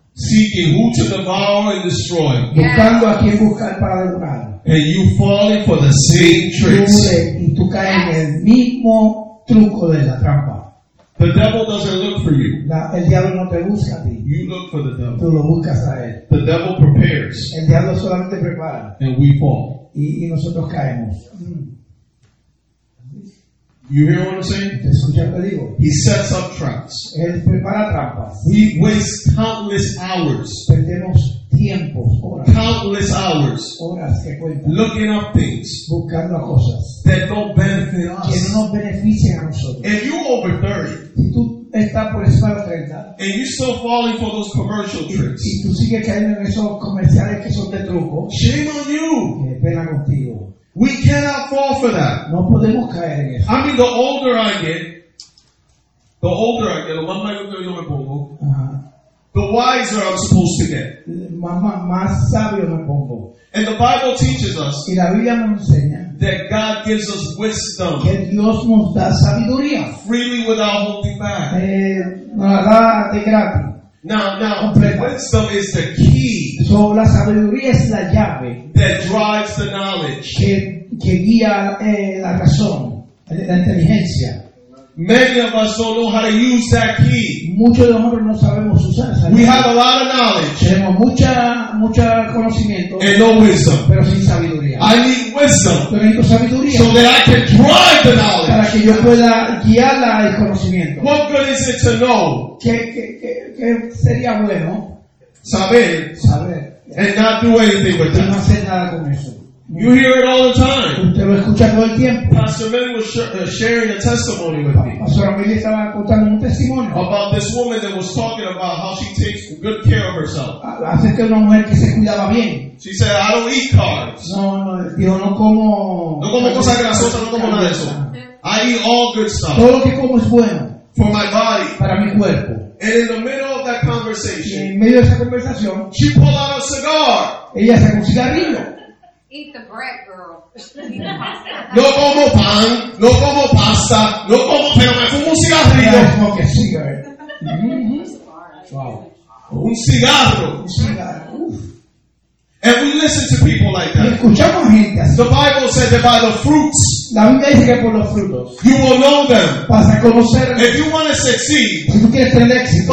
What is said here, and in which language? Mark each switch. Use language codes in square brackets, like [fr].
[en] Seeking who to devour and destroy. [es] Buscando a quien buscar para devorar. [en] And you falling for the same tricks. [es] Y tú caes en el mismo truco de la trampa. [en] The devil doesn't look for you. [es] El diablo no te busca a ti. [en] You look for the devil. [es] Tú lo buscas a él. [en] The devil prepares. [es] El diablo solamente prepara. [en] And we fall. [es] Y nosotros caemos. [en] You hear what I'm saying? [es] ¿Te escuchas lo que digo? [en] He sets up traps. [es] Él prepara trampas. [en] We waste countless hours. [es] Perdemos tiempos, horas. [en] Countless hours. [es] Horas que cuentan. [en] Looking up things. [es] Buscando cosas. [en] That don't benefit us. [es] Que no nos benefician a nosotros. [en] If you're over 30. [es] Si tú estás por encima de 30. [en] And you're still falling for those commercial tricks. [es] Y tú sigues cayendo en esos comerciales que son de truco. [en] Shame on you. [es] Qué pena contigo. [en] We cannot fall for that. [es] No podemos caer en eso. [en] I mean, the older I get, [es] lo más mayor que yo me pongo, [en] the wiser I'm supposed to get. [es] Más sabio me pongo. [en] And the Bible teaches us, [es] y la Biblia nos enseña, [en] that God gives us wisdom, [es] que Dios nos da sabiduría, [en] freely without holding back. [es] Nos la da de gratis. [en] Now, completa. Wisdom is the key. [es] So, la sabiduría es la llave [en] that drives the knowledge. [es] Que guía la razón, la inteligencia. [en] Many of us don't know how to use that key. [es] Muchos de nosotros no sabemos usar esa llave. [en] We have a lot of knowledge. [es] Tenemos mucha conocimiento. [en] And no wisdom. [es] Pero sin sabiduría. [en] I need wisdom. [es] Pero necesito sabiduría. [en] So that I can drive the knowledge. [es] Para que yo pueda guiarla al conocimiento. [en] What good is it to know? [es] ¿Qué sería bueno [en] saber and not do anything with that. [es] No hacer nada con eso. [en] You hear it all the time. [es] Usted lo escucha todo el tiempo. [en] Pastor Manny was sharing a testimony with me. [es] Pastor Manny estaba contando un testimonio [en] about this woman that was talking about how she takes good care of herself. [es] Acerca de una mujer que se cuidaba bien. [en] She said, I don't eat carbs. [es] No, dijo, no como cosas grasosas, no como nada de eso. [en] I eat all good stuff. [es] Todo lo que como es bueno. [en] For my body. [es] Para mi cuerpo. [en] And in the middle of that conversation. [es] En medio de esa conversación. [en] She pulled out a cigar. [es] Ella sacó un cigarrillo. [en] Eat the bread, girl. Eat the pasta. [es] No como pan, no como pasta, no como, pero me fumo un cigarrillo. [en] Yeah, okay, cigar. [es] Wow. Un cigarro. Un cigarro. [en] And we listen to people like that. [es] Y escuchamos gente así. [en] The Bible says that by the fruits, [es] la Biblia dice que por los frutos, [en] you will know them. [es] Vas a conocer. [en] If you want to succeed, [es] si tú quieres tener éxito,